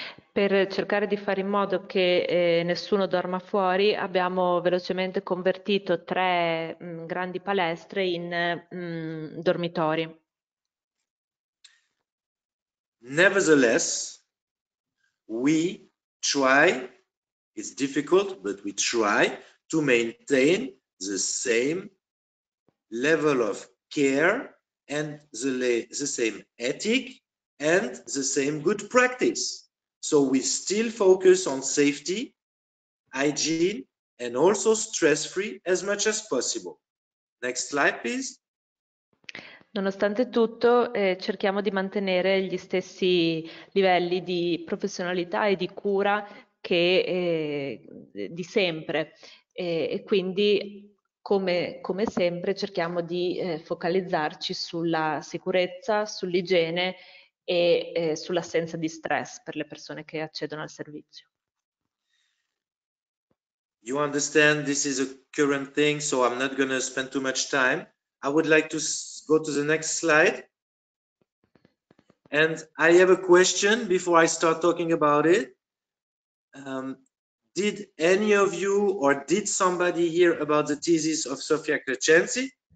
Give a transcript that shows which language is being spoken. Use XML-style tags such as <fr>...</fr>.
<it>Per cercare di fare in modo che nessuno dorma fuori, abbiamo velocemente convertito 3 grandi palestre in dormitori.</it> <en>Nevertheless, we try, it's difficult, but we try to maintain the same level of care and the same ethic and the same good practice. So we still focus on safety, hygiene, and also stress-free as much as possible. Next slide, please.</en> <it>Nonostante tutto, cerchiamo di mantenere gli stessi livelli di professionalità e di cura di sempre. E quindi, come sempre, cerchiamo di focalizzarci sulla sicurezza, sull'igiene e sull'assenza di stress per le persone che accedono al servizio.</it> <en>You understand this is a current thing, so I'm not going to spend too much time. I would like to go to the next slide. And I have a question before I start talking about it. Did any of you or did somebody hear about the thesis of Sofia Crescenzi?</en>